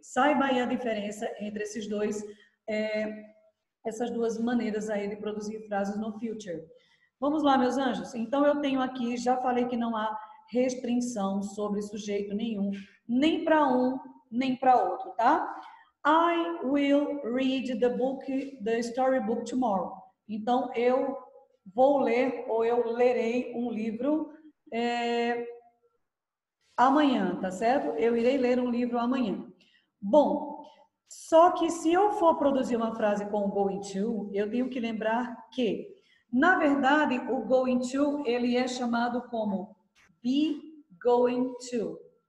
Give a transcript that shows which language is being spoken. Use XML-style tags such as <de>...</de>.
<pt>Saiba aí a diferença entre esses dois, essas duas maneiras aí de produzir frases no future. Vamos lá, meus anjos. Então, eu tenho aqui, já falei que não há restrição sobre sujeito nenhum, nem para um, nem para outro, tá?</pt> <en>I will read the storybook tomorrow.</en> <pt>Então, eu vou ler ou eu lerei um livro. Amanhã, tá certo? Eu irei ler um livro amanhã. Bom, só que se eu for produzir uma frase com o going to, eu tenho que lembrar que, na verdade, o going to, ele é chamado como be going to.</pt>